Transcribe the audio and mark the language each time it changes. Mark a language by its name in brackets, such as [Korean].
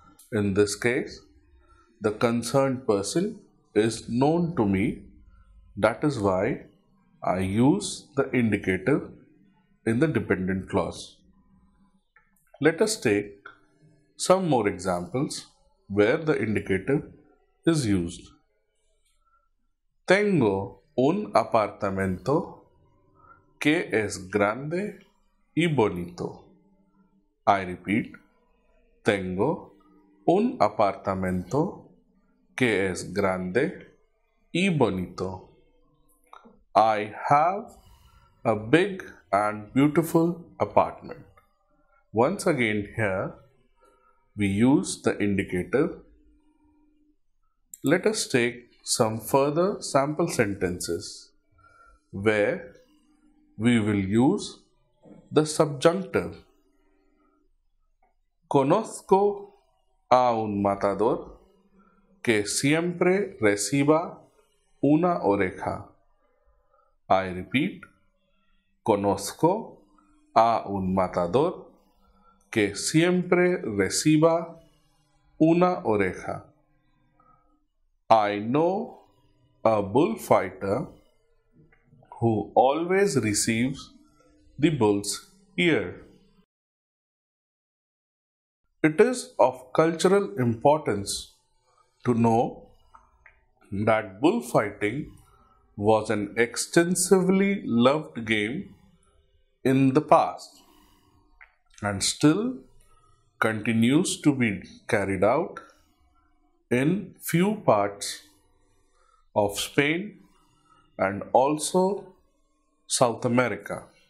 [English] In this case, the concerned person is known to me. That is why I use the indicative in the dependent clause. Let us take some more examples where the indicative is used. [Spanish] Tengo un apartamento que es grande y bonito. [English] I repeat. [Spanish] Tengo un apartamento que es grande y bonito. [English] I have a big and beautiful apartment. Once again here, we use the indicative. Let us take some further sample sentences where we will use the subjunctive. [Spanish] Conozco a un matador que siempre reciba una oreja. [English] I repeat. [Spanish] Conozco a un matador que siempre reciba una oreja. [English] I know a bullfighter who always receives the bull's ear. It is of cultural importance to know that bullfighting was an extensively loved game in the past and still continues to be carried out in few parts of Spain and also South America.